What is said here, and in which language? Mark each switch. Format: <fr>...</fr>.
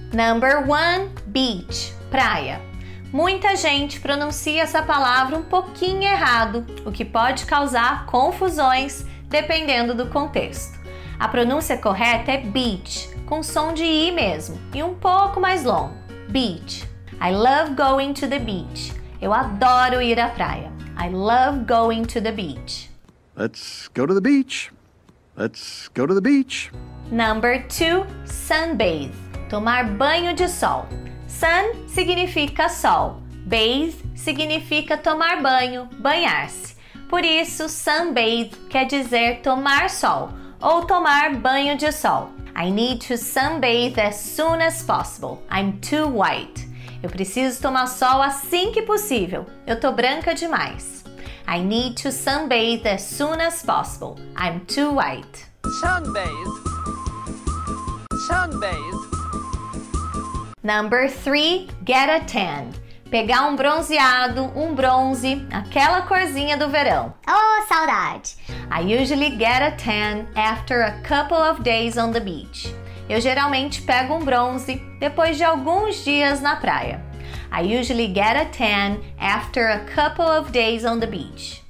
<en>Number 1,</en> <pt>beach, praia. Muita gente pronuncia essa palavra um pouquinho errado, o que pode causar confusões dependendo do contexto. A pronúncia correta é beach, com som de I mesmo, e um pouco mais longo.</pt> <en>Beach. I love going to the beach.</en> <pt>Eu adoro ir à praia.</pt> <en>I love going to the beach. Let's go to the beach. Let's go to the beach. Number 2,</en> <pt>sunbathe. Tomar banho de sol. Sun significa sol, bathe significa tomar banho, banhar-se. Por isso, sunbathe quer dizer tomar sol ou tomar banho de sol.</pt> <en>I need to sunbathe as soon as possible. I'm too white.</en> <pt>Eu preciso tomar sol assim que possível. Eu tô branca demais.</pt> <en>I need to sunbathe as soon as possible. I'm too white. Sunbathe. Sunbathe. Number 3, get a tan.</en> <pt>Pegar um bronzeado, um bronze, aquela corzinha do verão. Oh, saudade!</pt> <en>I usually get a tan after a couple of days on the beach.</en> <pt>Eu geralmente pego um bronze depois de alguns dias na praia.</pt> <en>I usually get a tan after a couple of days on the beach.</en>